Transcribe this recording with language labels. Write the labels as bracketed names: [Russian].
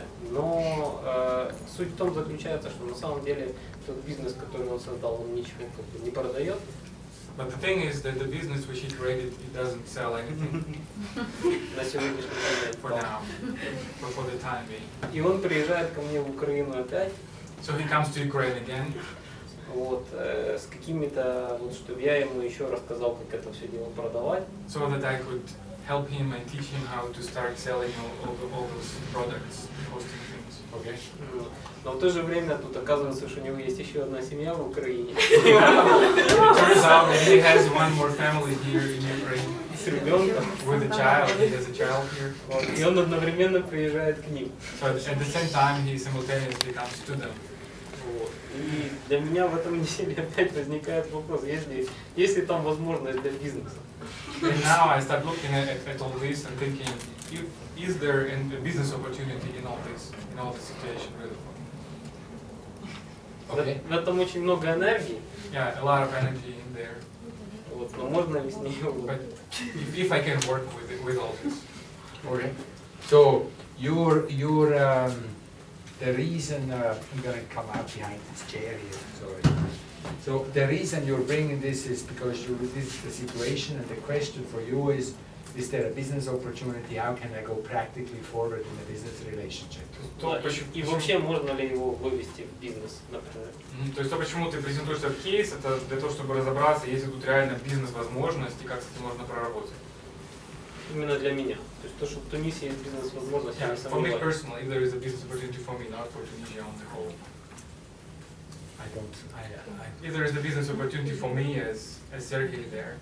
[Russian] Но суть в том заключается, что на самом деле тот бизнес, который он создал, он ничего как бы не продает. [English] But the thing is that the business which he created, it doesn't sell anything. [Russian] На сегодняшний день. [English] For now. For the time being. [Russian] И он приезжает ко мне в Украину опять. [English] So he comes to Ukraine again. [Russian] Вот с какими-то вот, чтобы я ему еще рассказал, как это все дело продавать. [English] So that I could help him and teach him how to start selling all those products, hosting things. Okay. [Russian] Но в то же время тут оказывается, что у него есть еще одна семья в Украине. [English] It turns out that he has one more family here in Ukraine. [Russian] С ребенком. [English] With a child, he has a child here. [Russian] И он одновременно приезжает к ним. [English] So at the same time, he simultaneously comes to them. [Russian] И для меня в этом деле опять возникает вопрос, есть ли там возможность для бизнеса. [English] And now I start looking at all this and thinking, is there a business opportunity in all this, in all the situation really for me? [Russian] В этом очень много энергии. [English] Yeah, a lot of energy in there. [Russian] Вот, но можно ли с ней работать? [English] But if I can work with all this. Okay. So, your the reason I'm going to come out behind this chair here, sorry. So the reason you're bringing this is because this is the situation, and the question for you is there a business opportunity? How can I go practically forward in a business relationship? [Russian] И вообще можно ли его вывести в бизнес, например? То есть то, почему ты презентуешься в кейс, это для того, чтобы разобраться, есть ли тут реально бизнес-возможность и как с этим можно проработать. Именно для меня. То есть то, что в Тунисе есть бизнес-возможность, я не сомневаюсь. [English] For me personally, if there is a business opportunity for me, not for Tunisia on the whole. I don't. I if there is a business opportunity for me as Sergey there.